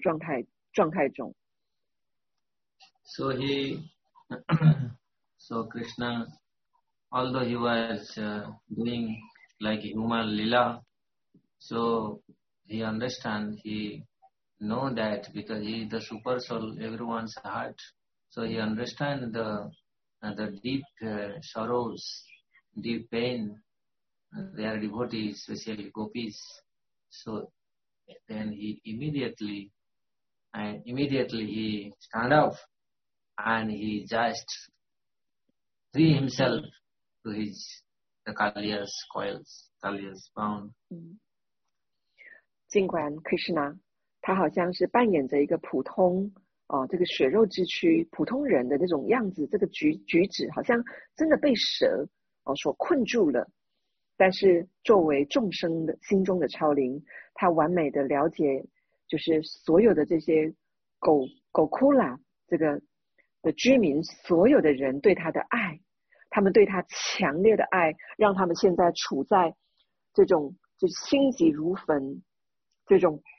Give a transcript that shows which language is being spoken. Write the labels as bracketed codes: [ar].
[zh] 处在这种危险的状态，想当然而，他们一定是万分的悲痛，他们就是处在这种极度的这种痛苦的这种状态中。 [en] So he, so Krishna, although he was doing like human lila, so he understand, he know that because he the super soul, everyone's heart. So he understand the deep sorrows, deep pain, they are devotees, especially gopis. So then he immediately he stand up and he just free himself to his the Kaliya's coils, Kaliya's bound. [zh] 尽管 Krishna, 他好像是扮演着一个普通 这个血肉之躯，普通人的这种样子，这个举止好像真的被蛇所困住了。但是作为众生的心中的超灵，他完美的了解，就是所有的这些狗库拉这个的居民，所有的人对他的爱，他们对他强烈的爱，让他们现在处在这种就心急如焚，这种。